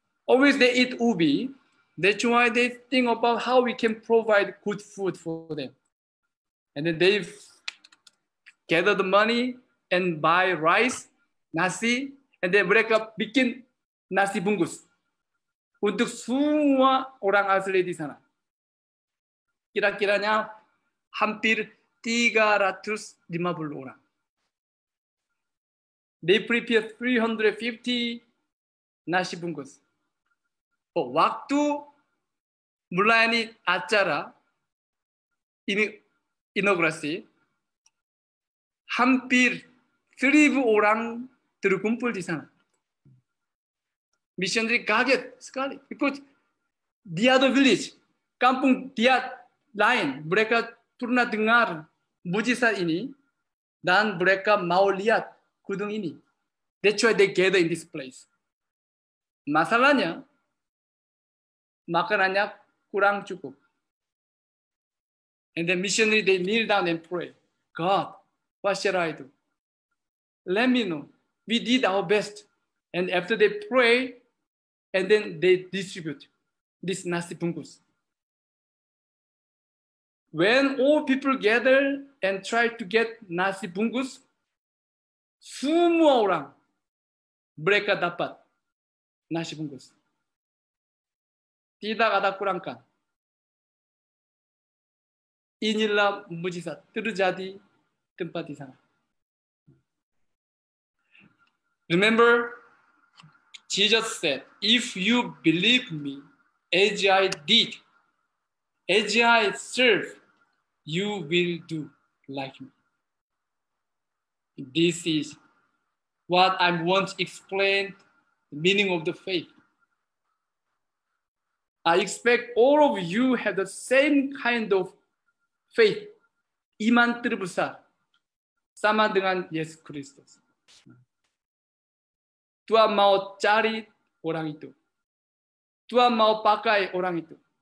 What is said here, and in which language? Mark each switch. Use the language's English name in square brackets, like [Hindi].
[English] Always they eat ubi. That's why they think about how we can provide good food for them. And then they gather the money and buy rice, nasi, and they break up, [Indonesian] bikin nasi bungkus. Untuk semua orang asli di sana. Kira-kiranya hampir 350 orang. [English] They prepare 350 nasi bungkus. [Indonesian] Oh, waktu mulai acara ini inaugurasi, hampir 1,000 orang terkumpul di sana. Missionary kaget sekali, [English] because the other village, [Indonesian] kampung dia lain, mereka pernah dengar mujizat ini, dan mereka mau lihat gunung ini. [English] That's why they gather in this place. [Indonesian] Masalahnya, makanannya kurang cukup. [English] And the missionary, they kneel down and pray. God, what shall I do? Let me know. We did our best. And after they pray, and then they distribute this nasi bungkus. When all people gather and try to get nasi bungkus, [Indonesian] semua orang mereka dapat nasi bungkus. Tidak ada kurangkan. Inilah mujizat terjadi tempat di sana. [English] Remember, Jesus said, if you believe me, as I did, as I serve, you will do like me. This is what I want to explain, the meaning of the faith. I expect all of you have the same kind of faith. [Indonesian] Iman terbesar, sama dengan Yesus Kristus. Tuhan mau cari orang itu. Tuhan mau pakai orang itu.